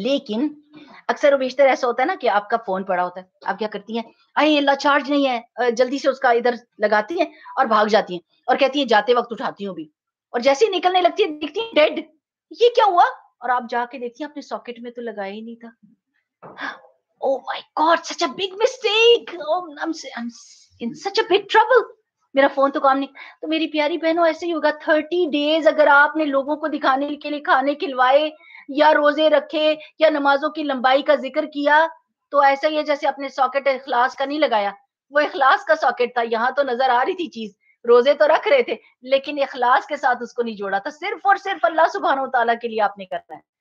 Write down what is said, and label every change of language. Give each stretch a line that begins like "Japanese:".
Urdu: لیکن اکثر و بیشتر ایسا ہوتا ہے نا کہ آپ کا فون پڑا ہوتا ہے, آپ کیا کرتی ہیں, آئے اللہ چارج نہیں ہے, جلدی سے اس کا ادھر لگاتی ہیں اور بھاگ جاتی ہیں اور کہتی ہیں جاتے وقت اٹھاتی ہوں بھی, اور جیسے ہی نکلنے لگتی ہیں دیکھتی ہیں ڈیڈ, یہ کیا ہوا, اور آپ جا کے دیکھتی ہیں اپنے ساکٹ میں تو لگایا ہی نہیں تھا.
English: Oh my God, such a big mistake. I'm in such a big trouble.
Urdu: میرا فون تو کام نہیں. تو میری پیاری بہنوں ایسے ہی ہوگا, 30 ڈیز اگر آپ نے لوگوں کو دکھانے کے لیے کھانے کھلوائے یا روزے رکھے یا نمازوں کی لمبائی کا ذکر کیا, تو ایسا ہی ہے جیسے اپنے ساکٹ اخلاص کا نہیں لگایا. وہ اخلاص کا ساکٹ تھا, یہاں تو نظر آ رہی تھی چیز, روزے تو رکھ رہے تھے لیکن اخلاص کے ساتھ اس کو نہیں جوڑا تھا, صرف اور صرف اللہ سبحانہ وتعالیٰ کے لیے آپ نے کرنا ہے.